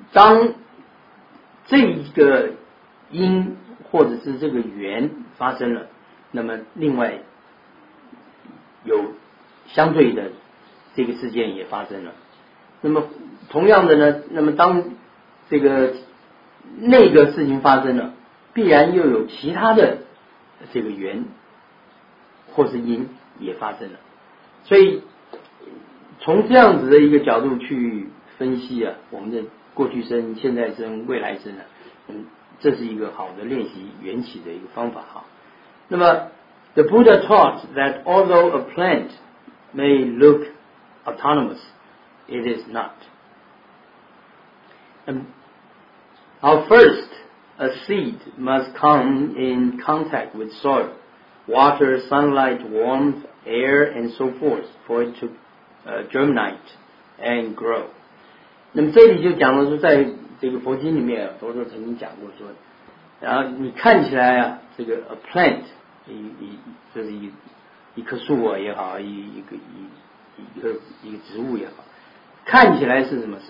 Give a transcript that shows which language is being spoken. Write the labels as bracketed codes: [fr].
[zh] 当这一个因或者是这个缘发生了，那么另外有相对的这个事件也发生了，那么同样的呢，那么当这个那个事情发生了，必然又有其他的这个缘或是因也发生了。所以从这样子的一个角度去分析啊，我们的过去生、现在生、未来生呢，这是一个好的练习缘起的一个方法哈。那么 [en] The Buddha taught that although a plant may look autonomous, it is not. Now first, a seed must come in contact with soil. Water, sunlight, warmth, air, and so forth for it to germinate and grow. [zh] 那么这里就讲了说，在这个佛经里面，佛陀曾经讲过说，然后你看起来啊，这个 [en] a plant [zh] 一棵树啊也好，一个植物也好，看起来是什么？